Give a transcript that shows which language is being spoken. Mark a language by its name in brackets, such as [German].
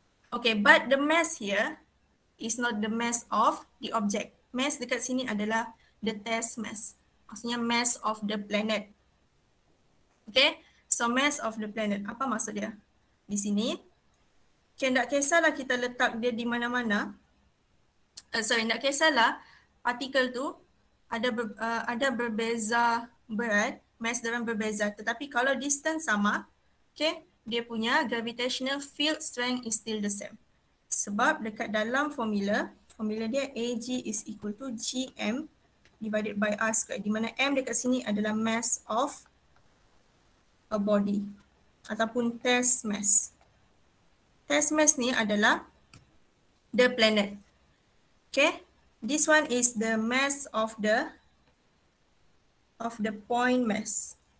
[English] Okay, but the mass here is not the mass of the object. [Malay] Mass dekat sini adalah the test mass. [English] Maksudnya mass of the planet. Okay, so mass of the planet. [Malay] Apa maksud dia? Di sini, okay, tak kisahlah kita letak dia di mana-mana. Tak kisahlah partikel tu ada berbeza berat, mass dalam berbeza. Tetapi kalau distance sama, okay, dia punya gravitational field strength [English] is still the same. [Malay] Sebab dekat dalam formula dia AG [English] is equal to GM divided by R squared, [Malay] di mana M dekat sini adalah [English] mass of a body [Malay] ataupun test mass. Test mass ni adalah the planet. [English] Okay, this one is the mass of the point mass.